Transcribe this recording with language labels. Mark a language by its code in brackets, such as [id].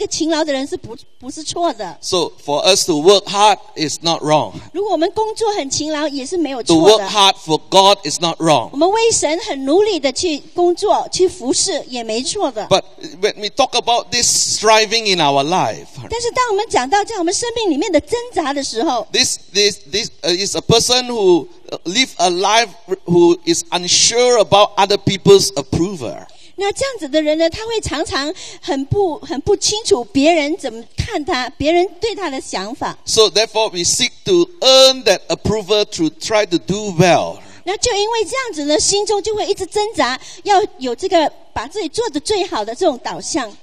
[zh] 就如我说过的，就是我们基督徒，我们很殷勤、很勤劳，做一个勤劳的人是不是错的。 [en] So for us to work hard is not wrong. [zh] 如果我们工作很勤劳也是没有错的。 [en] To work hard for God is not wrong. [zh] 我们为神很努力的去工作、去服侍也没错的。 [en] But when we talk about this striving in our life, [zh] 但是当我们讲到在我们生命里面的挣扎的时候， [en] this is a person who live a life who is unsure about other people's approval. [zh] 那这样子的人呢，他会常常很不清楚别人怎么看他，别人对他的想法。 [en] So therefore, we seek to earn that approval to try to do well. [zh] 那就因为这样子呢，心中就会一直挣扎，要有这个把自己做得最好的这种导向。